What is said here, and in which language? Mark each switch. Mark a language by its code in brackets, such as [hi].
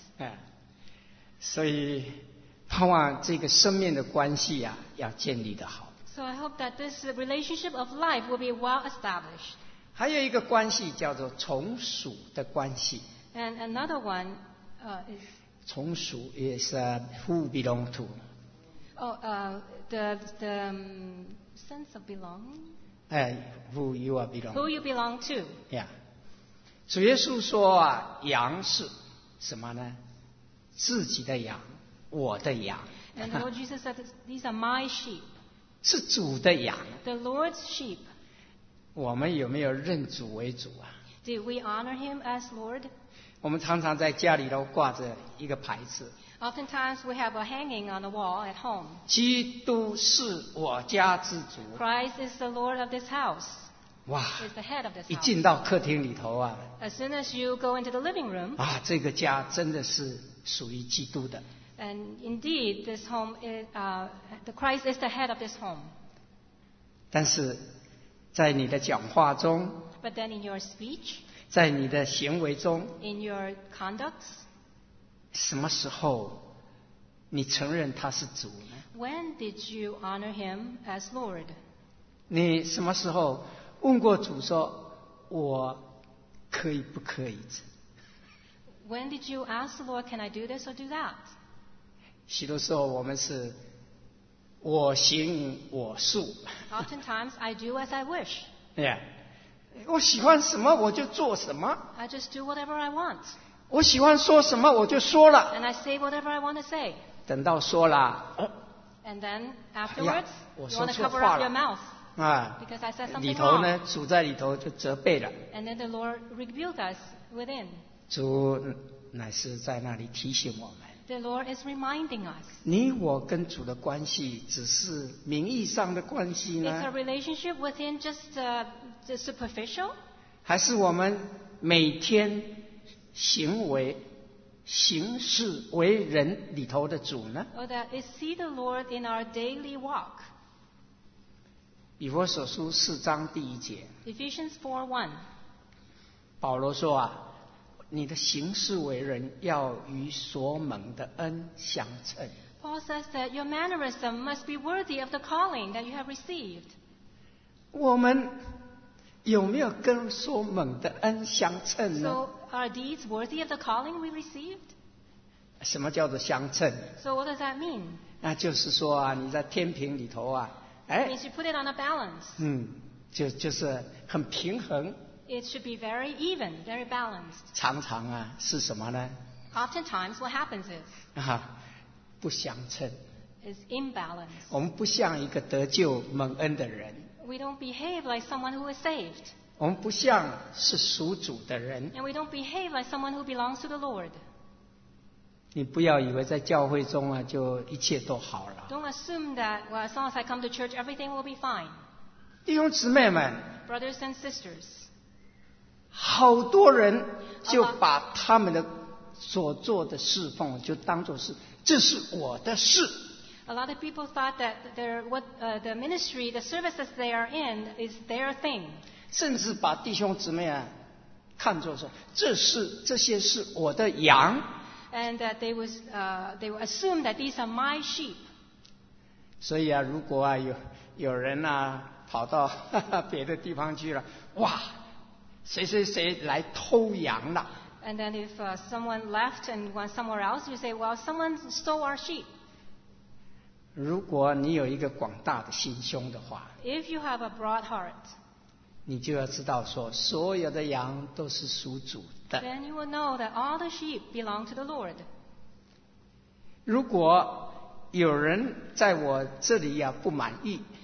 [zh] 啊、所以盼望这个生命的关系啊要建立得好。 [en] So I hope that this relationship of life will be well established. [zh] 还有一个关系叫做从属的关系。 [en] And another one, is 从属 is who belong to. Oh, the sense of belonging. Who you are belong. Who you belong to. Yeah. [zh] 主耶稣说啊，羊是什么呢？自己的羊。我的羊 [en] And the Lord Jesus said, These are my sheep. [zh] 是主的羊 [en] The Lord's sheep. [zh] 我们有没有认主为主啊 [en] Do we honor him as Lord? [zh] 我们常常在家里都挂着一个牌子 [en] Oftentimes we have a hanging on the wall at home. [zh] 基督是我家之主 [en] Christ is the Lord of this house. 哇 is the head of this house. [zh] 一进到客厅里头啊 [en] As soon as you go into the living room, [zh] 啊，这个家真的是属于基督的 [en] And indeed, this home is, the Christ is the head of this home. [zh] 但是在你的讲话中 [en] But then in your speech, [zh] 在你的行为中 [en] In your conduct, [zh] 什么时候你承认他是主呢 [en] When did you honor him as Lord? [zh] 你什么时候问过主说我可以不可以 [en] When did you ask the Lord, can I do this or do that? [zh] 许多时候我们是我行我素。 [en] Oftentimes I do as I wish. Yeah. [zh] 我喜欢什么我就做什么。 [en] I just do whatever I want. [zh] 我喜欢说什么我就说了。 [en] And I say whatever I want to say. [zh] 等到说了。 [en] And then afterwards,、哎、 you want to cover up your mouth. Because I said something wrong. [zh] 里头呢主在里头就责备了。 [en] And then the Lord rebuked us within. [zh] 主乃是在那里提醒我们。 [en] The Lord is reminding us. [zh] 你我跟主的关系只是名义上的关系呢 [en] Is a relationship within just the superficial? [zh] 还是我们每天行为行事为人里头的主呢？ [en] Or that we see the Lord in our daily walk. [zh] 以弗所书四章第一节。 [en] Ephesians 4:1. [zh] 保罗说啊，你的行事为人要与所蒙的恩相称。 [en] Paul says that your mannerism must be worthy of the calling that you have received. [zh] 我们有没有跟所蒙的恩相称呢？ [en] So are deeds worthy of the calling we received? [zh] 什么叫做相称？ [en] So what does that mean? [zh] 那就是说啊，你在天平里头啊， [en] 哎， means you put it on a balance. [zh] 就是很平衡。 [en] It should be very even, very balanced. [zh] 常常啊，是什么呢？ [en] Oftentimes, what happens is. [zh] 不相称。 [en] Is imbalance. [zh] 我们不像一个得救蒙恩的人。 [en] We don't behave like someone who is saved. [zh] 我们不像是属主的人。 [en] And we don't behave like someone who belongs to the Lord. [zh] 你不要以为在教会中啊，就一切都好了。 [en] Don't assume that, well, as long as I come to church, everything will be fine. [zh] 弟兄姊妹们。 [en] Brothers and sisters. [zh] 好多人就把他们的所做的侍奉就当作是，这是我的事。 [en] A lot of people thought that the ministry, the services they are in, is their thing. [zh] 甚至把弟兄姊妹啊，看作说，这些是我的羊。 [en] And that they would assume that these are my sheep. [zh] 所以啊，如果啊有人啊跑到别的地方去了，哇，谁谁谁来偷羊了。 [en] And then if someone left and went somewhere else, you say, well, someone stole our sheep. [zh] 如果你有一个广大的心胸的话， [en] If you have a broad heart, [zh] 你就要知道说所有的羊都是属主的。 [en] Then you will know that all the sheep belong to the Lord. [zh] 如果有人在我这里要不满意，